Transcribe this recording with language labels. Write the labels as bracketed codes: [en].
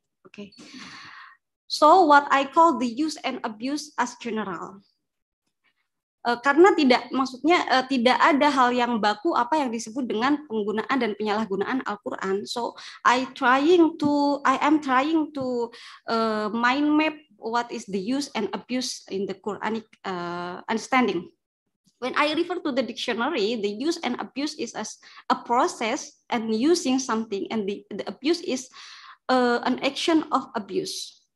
[en] Okay, so what I call the use and abuse as general. [id] Karena tidak, maksudnya tidak ada hal yang baku apa yang disebut dengan penggunaan dan penyalahgunaan Al-Quran. [en] So I am trying to mind map what is the use and abuse in the Quranic understanding. When I refer to the dictionary, the use and abuse is as a process and using something, and the abuse is an action of abuse.